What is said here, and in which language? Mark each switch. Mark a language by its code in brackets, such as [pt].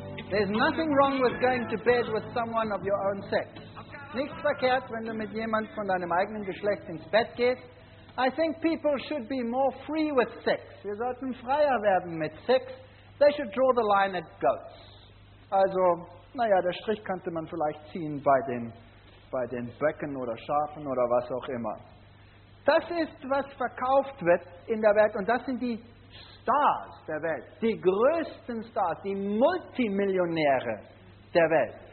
[en] There's nothing wrong with going to bed with someone of your own sex. [de] Nichts verkehrt, wenn du mit jemand von deinem eigenen Geschlecht ins Bett gehst. [en] I think people should be more free with sex. [de] Wir sollten freier werden mit Sex. [en] They should draw the line at goats. [de] Also, naja, der Strich könnte man vielleicht ziehen bei den Böcken oder Schafen oder was auch immer. Das ist, was verkauft wird in der Welt. Und das sind die Stars der Welt. Die größten Stars, die Multimillionäre der Welt.